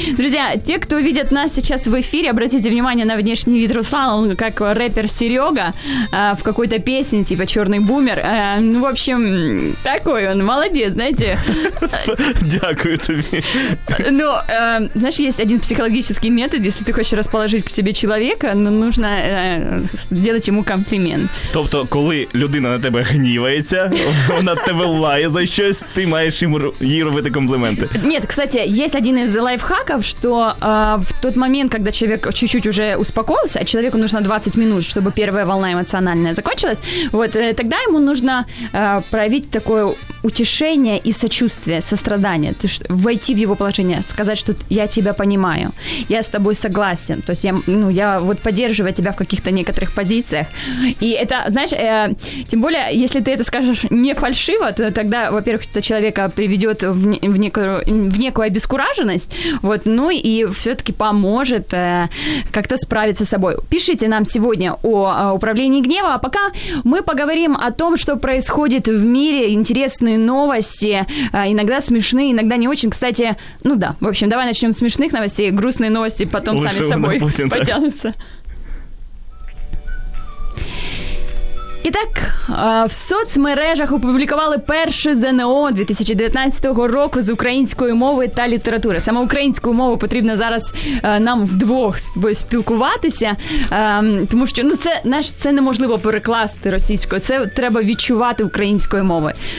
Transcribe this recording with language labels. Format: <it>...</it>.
<ru>Друзья, те, кто видят нас сейчас в эфире, обратите внимание на внешний вид Руслана, он как рэпер Серега в какой-то песне, типа «Черный бумер». В общем, такой он, молодец, знаете.</ru> <uk>Дякую тебе.</uk> <ru>Ну, знаешь, есть один психологический метод, если ты хочешь расположить к себе человека, нужно делать ему комплимент.</ru> <uk>Тобто, коли людина на тебе гнівається, вона тебе лає за щось, ти маєш їй робити компліменти.</uk> <ru>Нет, кстати, есть один из лайфхаков, что в тот момент, когда человек чуть-чуть уже успокоился, а человеку нужно 20 минут, чтобы первая волна эмоциональная закончилась, вот тогда ему нужно проявить такое утешение и сочувствие, сострадание, то есть войти в его положение, сказать, что я тебя понимаю, я с тобой согласен, то есть я вот поддерживаю тебя в каких-то некоторых позициях. И это, знаешь, тем более, если ты это скажешь не фальшиво, то тогда, во-первых, это человека приведет в некую обескураженность, вот, ну и все-таки поможет как-то справиться с собой. Пишите нам сегодня о управлении гневом, а пока мы поговорим о том, что происходит в мире, интересные новости, иногда смешные, иногда не очень. Кстати, ну да, в общем, давай начнем с смешных новостей, грустные новости потом лучше сами собой потянутся.</ru> <uk>Итак, в соцмережах опублікували перший ЗНО 2019 року з української мови та літератури. Саме українською мовою потрібно зараз нам вдвох спілкуватися, тому що ну це неможливо перекласти російською, це треба відчувати українською мовою.</uk>